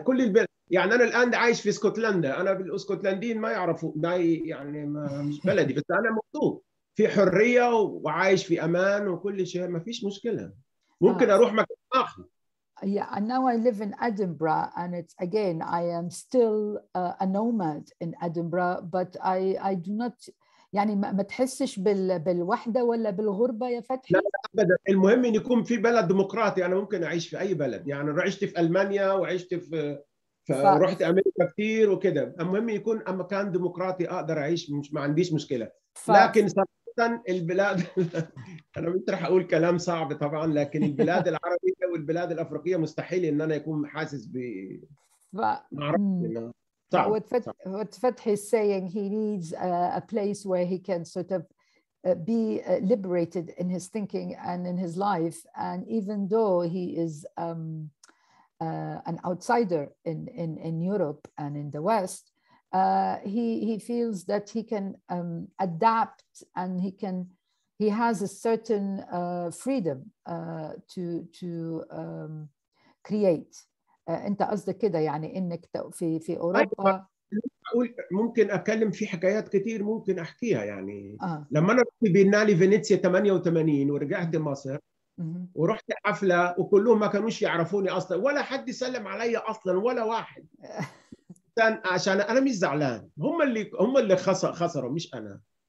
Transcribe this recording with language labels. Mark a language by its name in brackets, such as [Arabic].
[Arabic] كل البلد يعني, انا الان عايش في اسكتلندا, انا بالاسكتلنديين ما يعرفوا داي يعني, ما مش بلدي, بس انا مبسوط في حريه وعايش في امان وكل شيء, ما فيش مشكله. ممكن اروح مكان اخر. [English] Yeah, and now I live in Edinburgh, and it's again, I am still a nomad in Edinburgh, but I do not, يعني ما تحسش بالوحدة ولا بالغربة يا فتحي؟ [Arabic] لا أبدا, المهم إن يكون في بلد ديمقراطي, أنا ممكن أعيش في أي بلد, يعني رحت في ألمانيا وعشت رحت أمريكا كتير وكده, المهم يكون مكان ديمقراطي أقدر أعيش, مش ما عنديش مشكلة. لكن البلاد أنا مش رح أقول كلام صعب طبعا, لكن البلاد العربية والبلاد الأفريقية مستحيل إن أنا يكون حاسس ب [English] What Fathi is saying, he needs a place where he can sort of be liberated in his thinking and in his life. And even though he is an outsider in Europe and in the West, he feels that he can adapt and he has a certain freedom to create. انت قصدك كده يعني انك في اوروبا. [Arabic] أقول ممكن أكلم في حكايات كتير ممكن أحكيها يعني. لما أنا رحت بينالي فينيسيا 88 ورجعت مصر ورحت حفلة وكلهم ما كانوش يعرفوني أصلا، ولا حد يسلم علي أصلا ولا واحد، عشان أنا مش زعلان، هم اللي خسروا مش أنا.